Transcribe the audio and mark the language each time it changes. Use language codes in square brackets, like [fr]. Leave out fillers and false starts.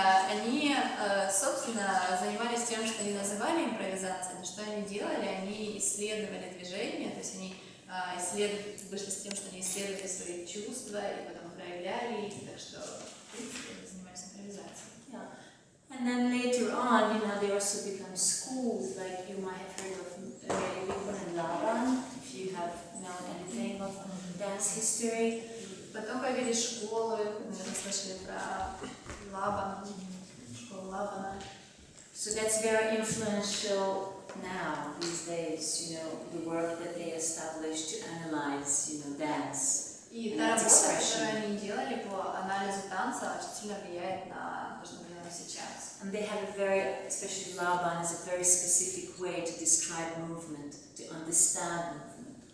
[ru] Они, собственно, занимались тем, что они называли импровизацией, но что они делали, они исследовали движение, то есть они вышли с тем, что они исследовали свои чувства и потом проявляли их, так что они занимались импровизацией. [en] And then later on, you know, they also become schools, like you might have heard of Lavan, if you have known anything of dance history. [ru] Потом появились школы, мы слышали про Лабан, школу Лабана. [en] So that's very influential now, these days, you know, the work that they established to analyze, you know, dance. [ru] И та работа, которую они делали по анализу танца, очень сильно влияет на то, что мы делаем сейчас. [en] And they have a very, especially Лабан, is a very specific way to describe movement, to understand movement.